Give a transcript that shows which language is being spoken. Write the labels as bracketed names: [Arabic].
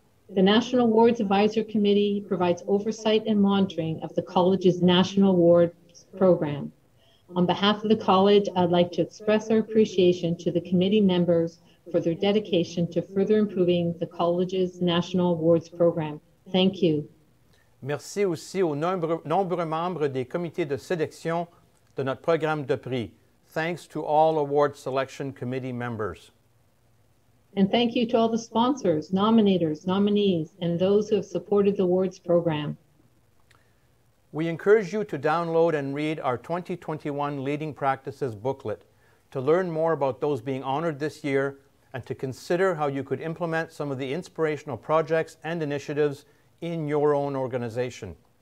[English] The National Awards Advisory Committee provides oversight and monitoring of the College's National Awards Program. On behalf of the College, I'd like to express our appreciation to the committee members for their dedication to further improving the College's National Awards Program. Thank you. [French] Merci aussi aux nombreux membres des comités de sélection de notre programme de prix. [English] Thanks to all award selection committee members. And thank you to all the sponsors, nominators, nominees, and those who have supported the awards program. We encourage you to download and read our 2021 Leading Practices booklet to learn more about those being honored this year and to consider how you could implement some of the inspirational projects and initiatives in your own organization.